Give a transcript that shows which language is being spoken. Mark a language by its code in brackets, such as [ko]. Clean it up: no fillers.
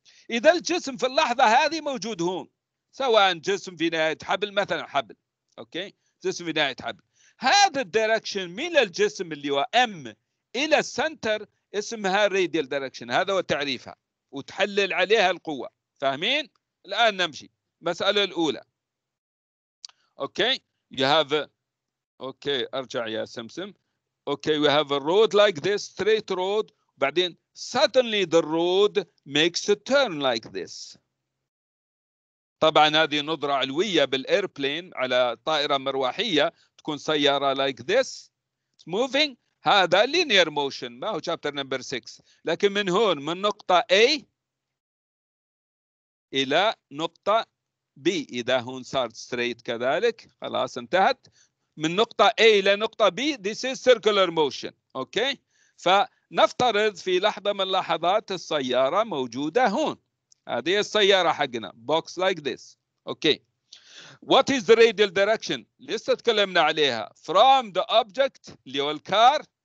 [ar] اذا الجسم في اللحظه هذه موجود هون سواء جسم في نهايه حبل مثلا حبل اوكي جسم في نهايه حبل هذا الدايركشن من الجسم اللي هو ام الى السنتر اسمها radial direction هذا هو تعريفها وتحلل عليها القوه فاهمين الان نمشي مساله الاولى [en] Okay, you have a, okay, [ar] ارجع يا سمسم. [en] Okay, we have a road like this, straight road. [ar] بعدين, [en] suddenly the road makes a turn like this. [ar] طبعا هذه نظرة علوية بالايربلين على طائرة مروحية تكون سيارة [en] like this. It's moving. [ar] هذا [en] linear motion. [ar] ما هو [en] chapter number 6. [ar] لكن من هون من نقطة A إلى نقطة B إذا هون صار straight كذلك خلاص انتهت من نقطة A إلى نقطة B [en] this is circular motion [ar] okay فنفترض في لحظة من لحظات السيارة موجودة هون هذه السيارة حقنا [en] box like this [ar] okay [en] what is the radial direction [ar] لسه تكلمنا عليها from the object اللي هو الكار